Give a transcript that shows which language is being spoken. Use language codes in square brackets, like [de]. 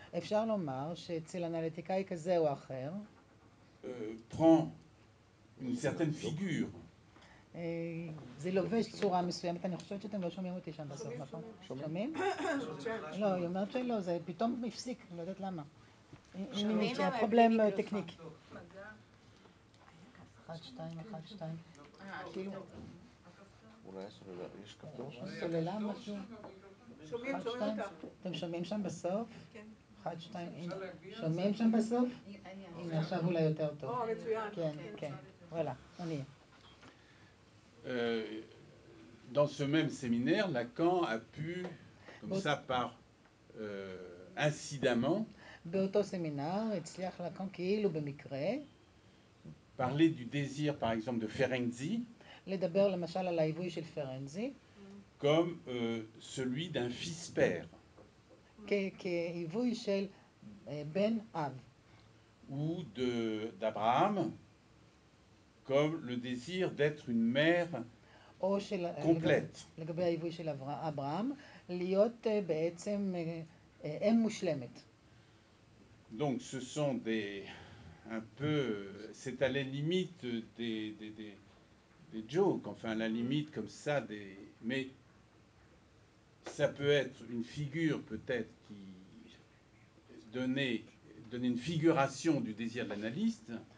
[he] אפשר לומר שאצל אנליטיקאי כזה או אחר, [fr] prend une certaine figure. [he] זה לובש צורה מסוימת. אני חושבת שאתם לא שומעים אותי שם בסוף, נכון? שומעים? לא, היא אומרת שלא, זה פתאום מפסיק, לא יודעת למה. שומעים, אבל... זה פרובלם טכניק. אחת, שתיים, אחת, שתיים. כאילו... אולי יש כפתור שם? סוללה משהו? שומעים, שומעים אותה. אתם שומעים שם בסוף? כן. אחד, שתיים, הנה, שומעים שם בסוף? הנה, עכשיו אולי יותר טוב. או, מצוין. כן, כן, וואלה, אני. [fr] Dans ce même séminaire, Lacan a pu, comme ça, par incidemment, [he] באותו סמינר, הצליח לקן כאילו במקרה, [fr] parler du désir, par exemple, de Ferenczi, [he] לדבר למשל על העיווי של פרנצי, [fr] comme celui d'un fils-père. [he] כעיווי של בן אב. [fr] Ou d'Abraham, comme le désir d'être une mère complète. [he] לגבי העיווי של אברהם, להיות בעצם אם מושלמת. [fr] Donc ce sont des, un peu, c'est à la limite des jokes, enfin à la limite comme ça, des, mais ça peut être une figure peut-être qui donnait une figuration du désir de l'analyste.